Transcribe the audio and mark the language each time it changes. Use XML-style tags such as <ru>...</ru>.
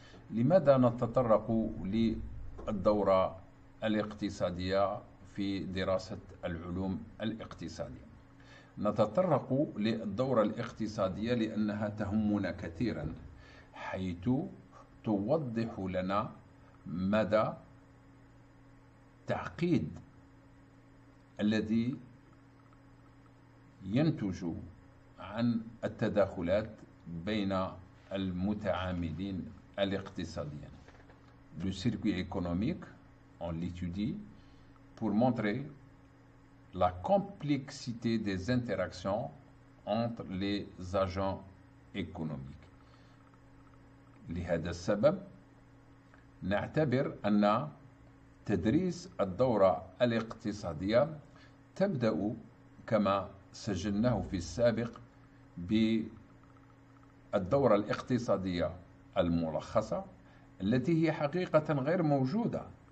<ar>لماذا نتطرق للدورة الاقتصادية في دراسة العلوم الاقتصادية؟ نتطرق للدورة الاقتصادية لأنها تهمنا كثيرا، حيث توضح لنا مدى التعقيد الذي ينتج عن التداخلات بين المتعاملين الاقتصاديين.</ar> <fr>Le circuit économique, on l'étudie pour montrer la complexité des interactions entre les agents économiques.</fr> <ar>لهذا السبب نعتبر أن تدريس الدورة الاقتصادية تبدأ كما سجلناه في السابق بالدورة الاقتصادية الملخصة التي هي حقيقة غير موجودة.</ar>